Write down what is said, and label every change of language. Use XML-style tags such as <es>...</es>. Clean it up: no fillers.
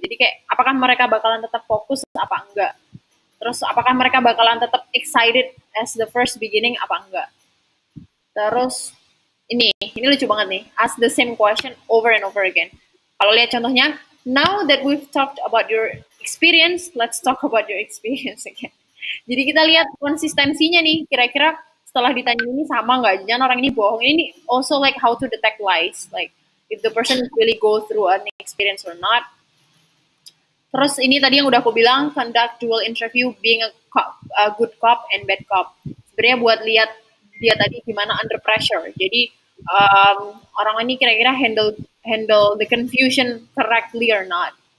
<id>Jadi kayak apakah mereka bakalan tetap fokus apa enggak? Terus apakah mereka bakalan tetap excited</id> <en>as the first beginning</en> <id>apa enggak? Terus ini lucu banget nih.</id> <en>Ask the same question over and over again.</en> <id>Kalau lihat contohnya,</id> <en>now that we've talked about your experience, let's talk about your experience again.</en> <id>Jadi kita lihat konsistensinya nih, kira-kira setelah ditanya ini sama nggak? Jangan orang ini bohong.</id> <en>Ini also like how to detect lies, like if the person really go through an experience or not.</en> <id>Terus ini tadi yang udah aku bilang,</id> <en>conduct dual interview being a good cop and bad cop.</en> <id>Sebenarnya buat lihat dia tadi gimana</id> <en>under pressure.</en> <id>Jadi orang ini kira-kira</id> <en>handle the confusion correctly or not.</en>